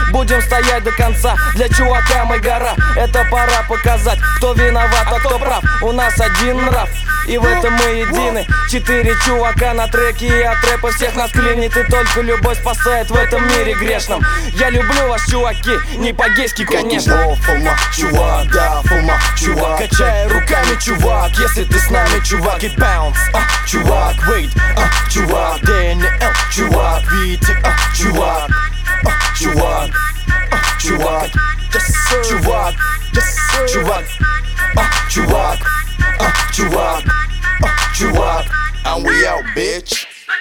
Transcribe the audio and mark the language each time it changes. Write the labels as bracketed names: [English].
[Russian] Будем стоять до конца. Для чувака мы гора. Это пора показать, кто виноват, а кто прав. У нас один нрав, и в этом мы едины. Четыре чувака на треке, и от рэпа всех нас клинит. И только любовь спасает в этом мире грешном. Я люблю вас, чуваки, не по-гейски, конечно. [English] Go to war for my [Russian] чувак, да, [English] for my [Russian] чувак. Качай руками, чувак, если ты с нами, чувак. И [English] bounce, [Russian] чувак, [English] wait, [Russian] чувак. Daniel, чувак, VT, чувак. Чувак, чувак, [English] yes sir. [Russian] Чувак, [English] yes sir. [Russian] Чувак, чувак, чувак, чувак. [English] And we out, bitch.